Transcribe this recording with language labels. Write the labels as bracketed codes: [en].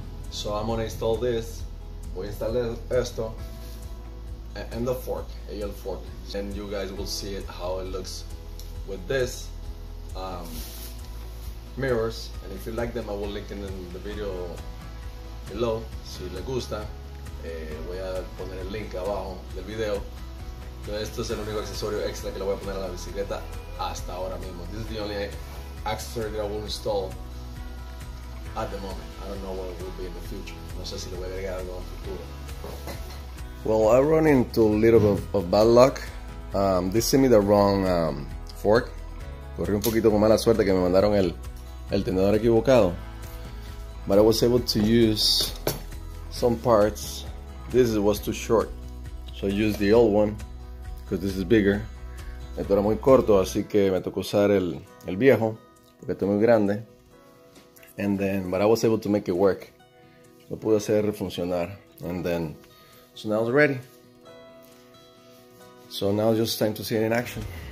[en] So I'm gonna install this. [es] Voy a instalar esto. [en] And the fork, AL fork. And you guys will see it how it looks with this mirrors. And if you like them, I will link it in the video below. [es] Si le gusta, voy a poner el link abajo del video. Entonces, esto es el único accesorio extra que le voy a poner a la bicicleta hasta ahora mismo. [en] This is the only accessory that I will install at the moment. I don't know what it will be in the future. [es] No sé si le voy a agregar algo en futuro. [en] Well, I run into a little bit of bad luck. They sent me the wrong fork. [es] Corrí un poquito con mala suerte que me mandaron el tenedor equivocado. [en] But I was able to use some parts. This was too short, so I used the old one because this is bigger. [es] Esto era muy corto, así que me tocó usar el viejo porque esto es muy grande. [en] And then, but I was able to make it work. [es] Lo pude hacer funcionar. [en] And then, so now it's ready. So now it's just time to see it in action.